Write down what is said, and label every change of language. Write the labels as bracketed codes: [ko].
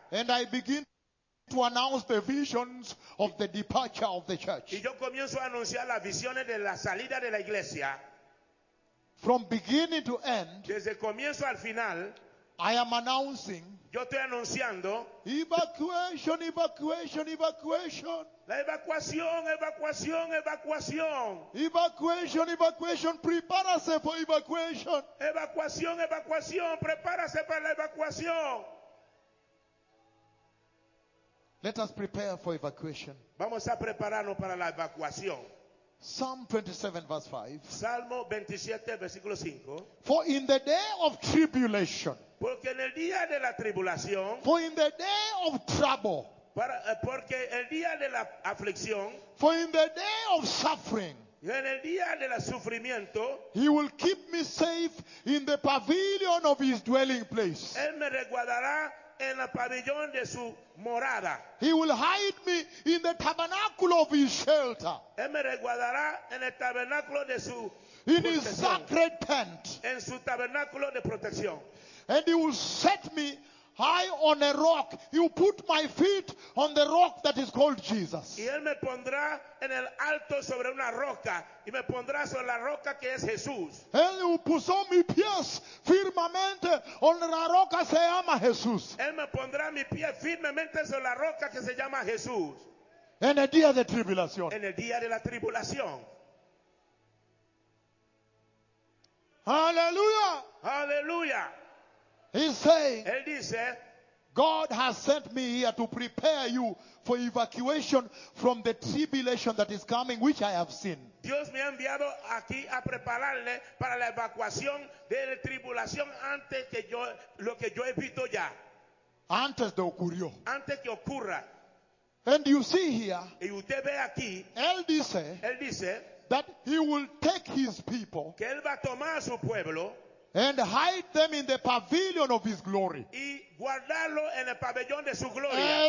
[en] and I begin to announce the visions of the departure of the church. [es] Y yo comienzo a anunciar las visiones de la salida de la iglesia. [en] From beginning to end, [es] desde comienzo al final, [en] I am announcing, [es] yo estoy anunciando, [en] evacuation, evacuation, evacuation. [es] La evacuación, evacuación, evacuación. [en] Evacuation, evacuation, [es] prepárese [en] for evacuation. [es] Evacuación, evacuación, prepárese para la evacuación. [en] Let us prepare for evacuation. [es] Vamos a prepararnos para la evacuación. [en] Psalm 27, verse 5. [es] Salmo 27, versículo 5. [en] For in the day of tribulation. [es] Porque en el día de la tribulación. [en] For in the day of trouble. [es] Porque el día de la aflicción. [en] For in the day of suffering. [es] En el día de la sufrimiento. [en] He will keep me safe in the pavilion of his dwelling place. [es] Él me resguardará en el pabellón de su morada. [en] He will hide me in the tabernacle of his shelter. [es] Él me resguardará en el tabernáculo de su protección. [en] In his sacred tent. [es] En su tabernáculo de protección. [en] And he will set me high on a rock. He will put my feet on the rock that is called Jesus. [es] Y él me pondrá en el alto sobre una roca. Y me pondrá sobre la roca que es Jesús. Él me puso mi pies firmemente en la roca que se llama Jesús. Él me pondrá mi pie firmemente sobre la roca que se llama Jesús. En el día de tribulación. En el día de la tribulación. Aleluya. Aleluya. [en] He's saying, [es] él dice, [en] God has sent me here to prepare you for evacuation from the tribulation that is coming, which I have seen. [es] Dios me ha enviado aquí a prepararle para la evacuación de la tribulación antes que yo, lo que yo he visto ya. Antes de ocurrió. Antes que ocurra. [en] And you see here, [es] y usted ve aquí, él dice, [en] that he will take his people, [es] que él va a tomar a su pueblo, [en] and hide them in the pavilion of his glory. [es] Y guardarlo en el pabellón de su gloria.